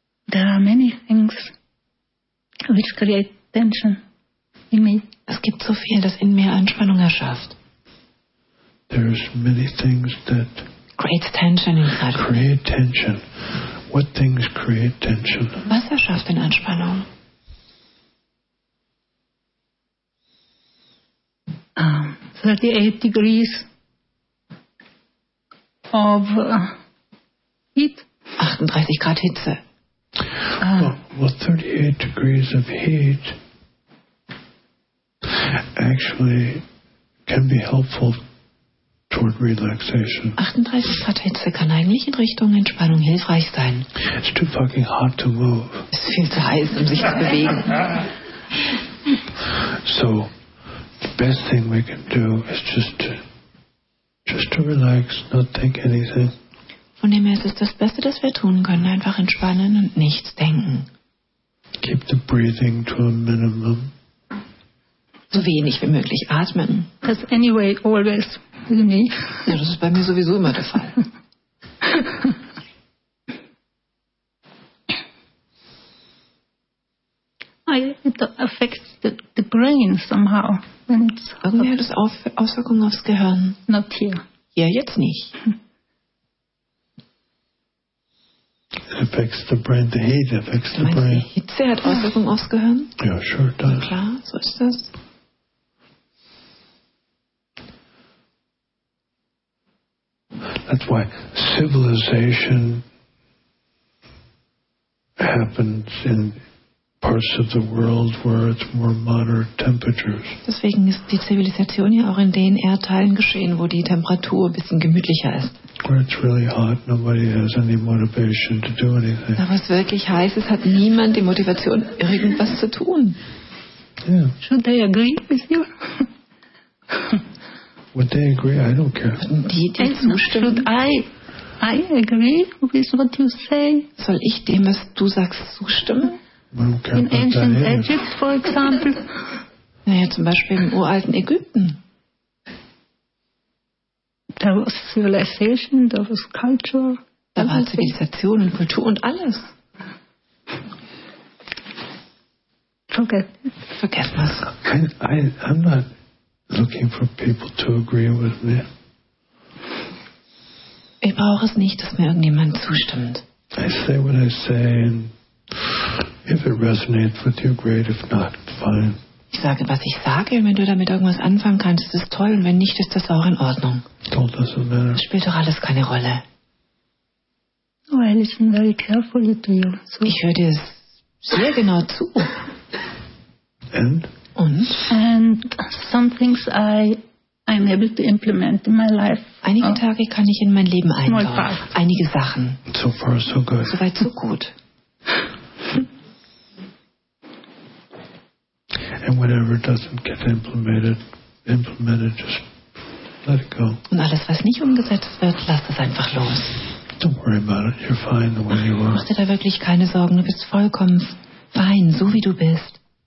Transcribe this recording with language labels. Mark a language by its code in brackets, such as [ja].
[en] There are many things which create tension in me. [de] Es gibt so viel, das in mir Anspannung erschafft. [en] There are many things that creates tension inside. Create tension. What things create tension? [de] Was erschafft denn Anspannung? [en] Well, 38 degrees of heat actually can be helpful toward relaxation. [de] 38 Grad Hitze kann eigentlich in Richtung Entspannung hilfreich sein. [en] It's too fucking hot to move. [de] Es ist viel zu heiß, um sich zu bewegen. [en] So, the best thing we can do is just to relax, not think anything. [de] Von dem her ist es das Beste, das wir tun können, einfach entspannen und nichts denken. [en] Keep the breathing to a minimum. [de] So wenig wie möglich atmen. [en] That's anyway always with me. [de] Ja, das ist bei mir sowieso immer der Fall. [en] It affects the brain somehow. [de] Irgendwie hat es Auswirkungen aufs Gehirn. [en] Not here. [de] Ja, jetzt nicht. [en] It affects the brain. The heat affects the brain. [de] Die Hitze hat Auswirkungen aufs Gehirn? [en] Ja, sure it does. [de] Klar, so ist das. [en] That's why civilization happens in parts of the world where it's more moderate temperatures. [de] Deswegen ist die Zivilisation ja auch in den Erdteilen geschehen, wo die Temperatur ein bisschen gemütlicher ist. [en] Where it's really hot, nobody has any motivation to do anything. [de] Aber es wirklich heiß ist, hat niemand die Motivation, irgendwas zu tun. [en] Yeah. Should they agree with you? Would they agree? I don't care. [de] Die zustimmen. [en] Should I agree with what you say? [de] Soll ich dem, was du sagst, zustimmen? [en] In ancient Egypt, for example. [de] Naja, zum Beispiel im uralten Ägypten. [en] There was civilization, there was culture. [de] Da war Zivilisation und Kultur und alles. [en] Forget it. Forget was. I'm not looking for people to agree with me. [de] Ich brauche es nicht, dass mir irgendjemand zustimmt. [en] I say what I say and if it resonates with you, great. If not, fine. [de] Ich sage, was ich sage, und wenn du damit irgendwas anfangen kannst, ist es toll, und wenn nicht, ist das auch in Ordnung. [en] All doesn't matter. [de] Das spielt doch alles keine Rolle. [en] Oh, I listen very carefully to you. [de] So. Ich höre dir sehr genau zu. [en] And? And some things I'm able to implement in my life. [de] Einige Tage kann ich in mein Leben einbauen. Einige Sachen. [en] So far so good. [de] So weit so gut. [en] And whatever doesn't get implemented, just let it go. [de] Und alles, was nicht umgesetzt wird, lass es einfach los. [en] Don't worry about it. You're fine the way you are. [de] Mach dir da wirklich keine Sorgen. Du bist vollkommen fein, so wie du bist.